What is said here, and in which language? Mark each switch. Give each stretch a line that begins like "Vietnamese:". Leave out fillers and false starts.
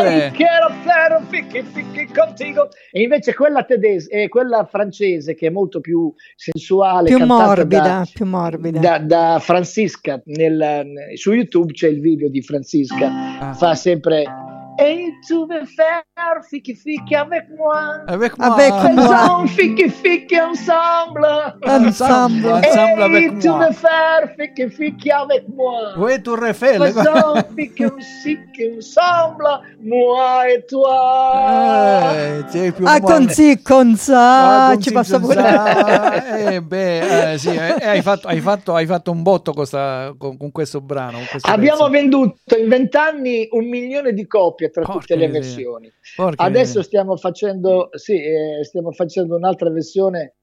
Italian: E invece quella tedesca, quella francese, che è molto più sensuale, più morbida, più morbida. Da Franziska, su YouTube c'è il video di Franziska, fa sempre...
French: Ehi, tu veux faire fichi fichi avec moi? Avec moi. Avec moi. Fichi fichi ensemble. Ensemble. Ensemble avec moi. Ehi, tu veux faire fichi fichi avec moi? Oui, tu refais. Faisons fichi fichi ensemble, moi et toi.
Italian: C'è più hai fatto un botto con questo brano. Abbiamo venduto in 20 anni 1 milione di copie. Tra tutte le versioni. Adesso stiamo facendo un'altra versione